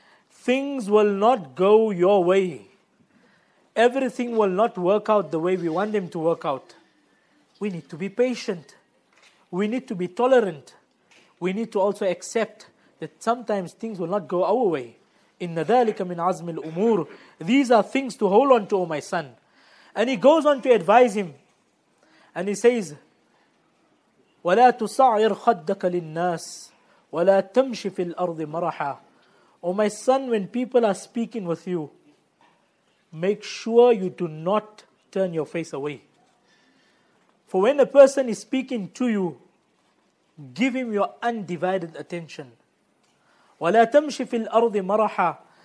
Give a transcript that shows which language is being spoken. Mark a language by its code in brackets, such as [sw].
[en] Things will not go your way. Everything will not work out the way we want them to work out. We need to be patient. We need to be tolerant. We need to also accept that sometimes things will not go our way. Inna dhalika min azmi al-umur. These are things to hold on to, O my son. And he goes on to advise him. And he says, [ar] وَلَا تُصَعِرْ خَدَّكَ لِلنَّاسِ وَلَا تَمْشِ فِي الْأَرْضِ مَرَحًا. [en] O my son, when people are speaking with you, make sure you do not turn your face away. For when a person is speaking to you, give him your undivided attention. [ar] وَلَا تَمْشِ فِي الْأَرْضِ مَرَحًا.